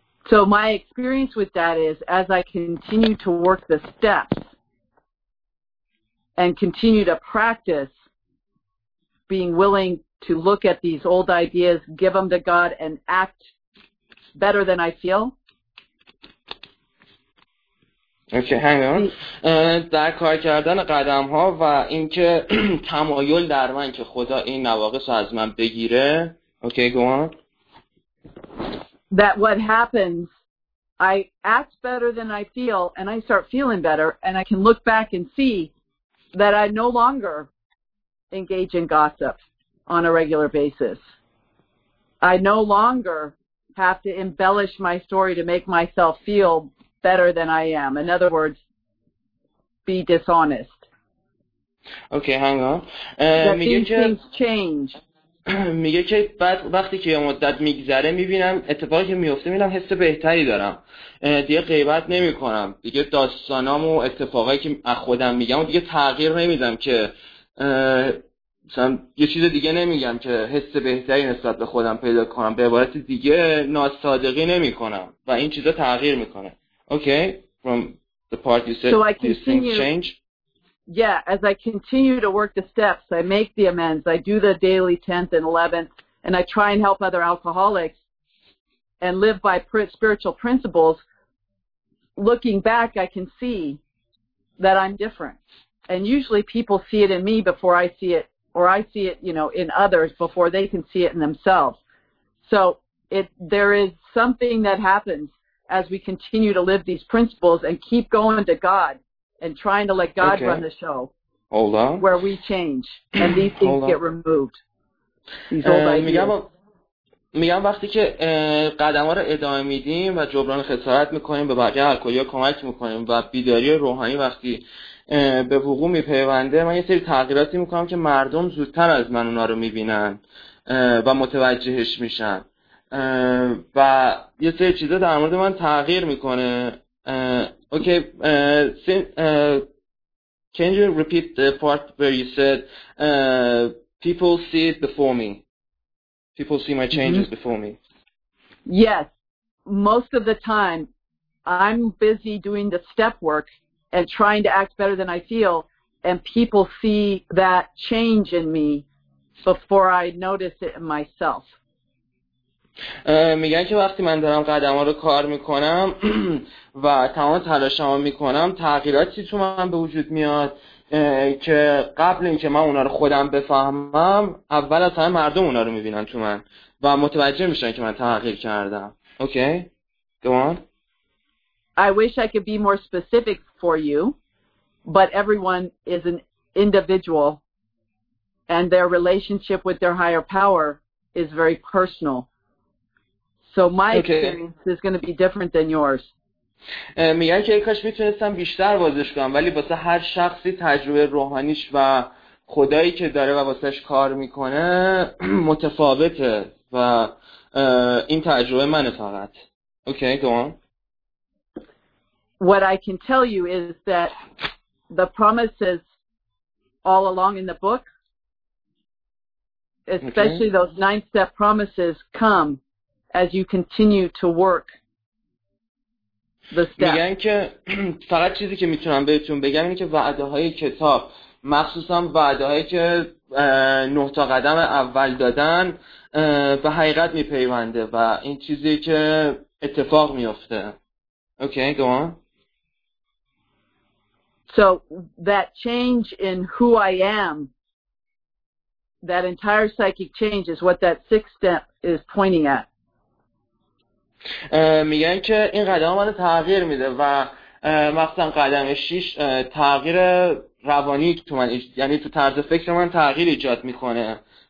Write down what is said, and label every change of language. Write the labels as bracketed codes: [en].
[en] So my experience with that is, as I continue to work the steps and continue to practice being willing to look at these old ideas, give them to God, and act better than I feel. Okay hang on. [fa] در کار کردن قدم ها و اینکه تمایل در من که خدا این نواقص رو از من بگیره. [en] Okay go on. That what happens I act better than I feel, and I start feeling better, and I can look back and see that I no longer engage in gossip on a regular basis. I no longer have to embellish my story to make myself feel better than I am. In other words, be dishonest. Okay, hang on. Things change. [fa] میگه که بعد وقتی که یه مدت میگذره میبینم اتفاقی که میفته میبینم حس بهتری دارم، دیگه غیبت نمی کنم، دیگه داستانام و اتفاقایی که از خودم میگم و دیگه تغییر نمیدم، که مثلا یه چیز دیگه نمیگم که حس بهتری نسبت به خودم پیدا کنم، به عبارت دیگه ناصادقی نمی کنم و این چیزا تغییر میکنه. [en] Okay okay. From the part you said, so these things change. Yeah, as I continue to work the steps, I make the amends, I do the daily 10th and 11th, and I try and help other alcoholics and live by spiritual principles, looking back, I can see that I'm different. And usually people see it in me before I see it, or I see it, you know, in others before they can see it in themselves. So there is something that happens as we continue to live these principles and keep going to God. And trying to let God okay. run the show. Hold on. Where we change and these things get removed. These old ideas. [fa] میگم وقتی که قدم ها رو ادامه میدیم و جبران خسارت میکنیم، به بقیه الکلی ها کمک میکنیم و بیداری روحانی وقتی به وقوع میپیونده، من یه سری تغییراتی میکنم که مردم زودتر از من اونا رو میبینن و متوجهش میشن و یه سری چیزا در مورد من تغییر میکنه. [en] Okay, can you repeat the part where you said people see it before me? People see my changes mm-hmm. before me. Yes. Most of the time, I'm busy doing the step work and trying to act better than I feel, and people see that change in me before I notice it in myself. [fa] میگن که وقتی من دارم قدم ها رو کار میکنم و تمام تلاشم رو میکنم، تغییراتی تو من به وجود میاد که قبل اینکه من اونا رو خودم بفهمم، اول از همه مردم اونا رو میبینن تو من و متوجه میشن که من تغییر کردم. [en] Okay okay. Go on. I wish I could be more specific for you, but everyone is an individual and their relationship with their higher power is very personal. So my experience is going to be different than yours. [fa] میگن که کاش میتونستم بیشتر واضح کنم، ولی واسه هر شخصی تجربه روحانیش و خدایی که داره و واسهش کار میکنه متفاوته و این تجربه من فقط. [en] Okay, go on. What I can tell you is that the promises all along in the book, especially those 9-step promises, come as you continue to work the steps. [fa] میگن که فقط چیزی که میتونم بهتون بگم اینه که وعده های کتاب، مخصوصا وعده هایی که 9 تا قدم اول دادن، به حقیقت میپیونده و این چیزی که اتفاق میفته. [en] Okay okay, go on. So that change in who I am, that entire psychic change is what that 6th step is pointing at. [fa] میگن که این قدم ها منو تغییر میده و مثلا قدم 6 تغییر روانی تو من یعنی تو طرز فکر من تغییر ایجاد میکنه.